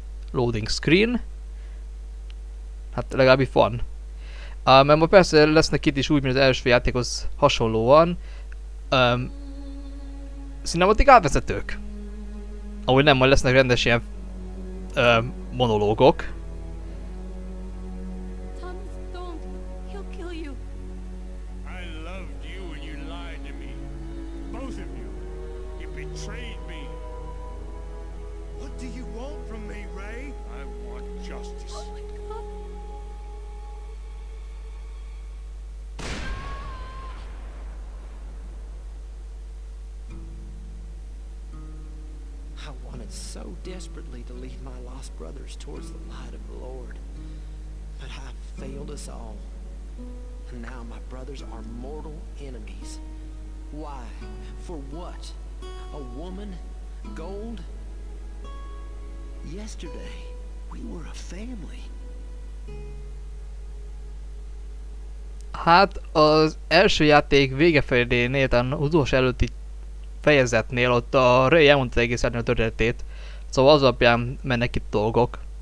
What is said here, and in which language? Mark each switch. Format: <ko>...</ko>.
<en>Loading screen.</en> <hu>Hát legalább van. Mert ma persze lesznek itt is úgy, mint az első játékhoz hasonlóan. Cinematic átvezetők. Ahogy nem, majd lesznek rendes ilyen monológok.</hu> <en>Thomas, don't. He'll kill you. I loved you and you lied to me. Both of you. You betrayed me. What do you want from me, Ray? I want justice. Oh my God. I wanted so desperately to lead my lost brothers towards the light of the Lord. But I failed us all. And now my brothers are mortal enemies. Why? For what? A woman? Gold? Yesterday, we were a family.</en> <hu>Hát az első játék vége felénél, tehát az utolsó előtti fejezetnél ott a Ray elmondta egész a történetét. Szóval az alapján mennek itt dolgok.</hu>